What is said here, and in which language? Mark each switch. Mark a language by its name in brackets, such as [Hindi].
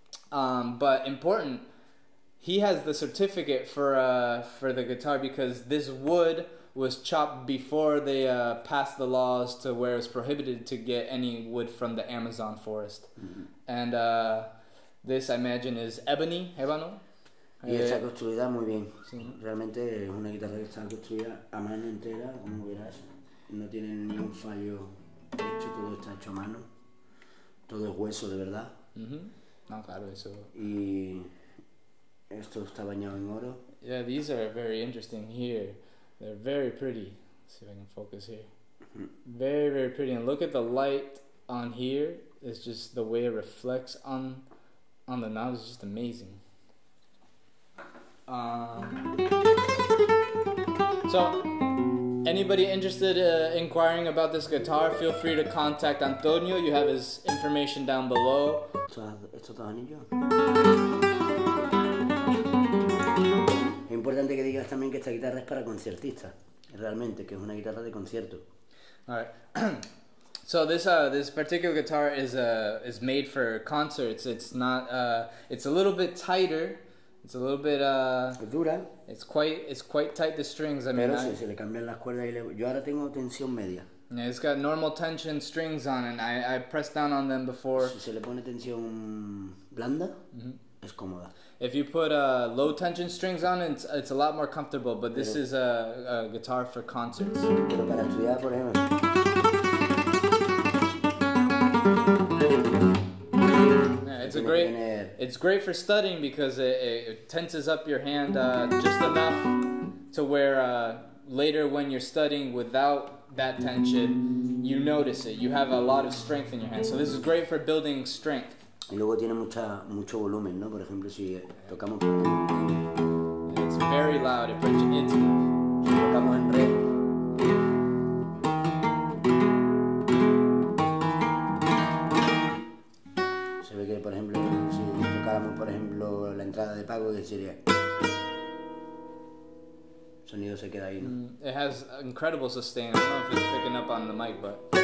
[English] But important, he has the certificate for the guitar because this wood was chopped before they passed the laws to where it's prohibited to get any wood from the Amazon forest. Mm-hmm. And this, I imagine, is ebony, ebano. [Spanish] Y está construida muy bien. Sí. Realmente es una guitarra que está construida a mano entera, como verás. No tiene ni un fallo. Hecho, todo está hecho a mano. Todo es hueso, de verdad. Mm-hmm. No, claro, eso. Y esto está bañado en oro. [English] Yeah, these are very interesting here. They're very pretty. Let's see if I can focus here. Mm-hmm. Very, very pretty. And look at the light on here. It's just the way it reflects on the knobs. It's just amazing. So, anybody interested inquiring about this guitar, feel free to contact Antonio. You have his information down below. [Spanish] Esto está anillo. Es importante que digas también que esta guitarra es para conciertistas, realmente, que es una guitarra de concierto. [English] All right. So this particular guitar is made for concerts. It's not it's a little bit tighter. It's a little bit [Spanish] dura. [English] It's quite tight, the strings. I [Spanish] pero [English] mean, [Spanish] si le cambian las cuerdas y le, yo ahora tengo tensión media. [English] Yeah, it's got normal tension strings on and I pressed down on them before. [Spanish] Si se le pone tensión blanda. Mm-hmm. Es cómoda. [English] If you put low tension strings on, it's a lot more comfortable, but this [Spanish] pero, [English] is a guitar for concerts. [Spanish] Pero para estudiar, por ejemplo. [English] Yeah, it's great for studying because it tenses up your hand just enough to where later when you're studying without that tension, you notice it. You have a lot of strength in your hand. So this is great for building strength. [Spanish] Y luego tiene mucho volumen, ¿no? Por ejemplo, si tocamos... [English] It's very loud. [Spanish] Si tocamos en re... Se ve que, por ejemplo, si tocáramos, por ejemplo, la entrada de pago, que sería... El sonido se queda ahí, ¿no? [English] It has incredible sustain. I don't know if it's picking up on the mic, but...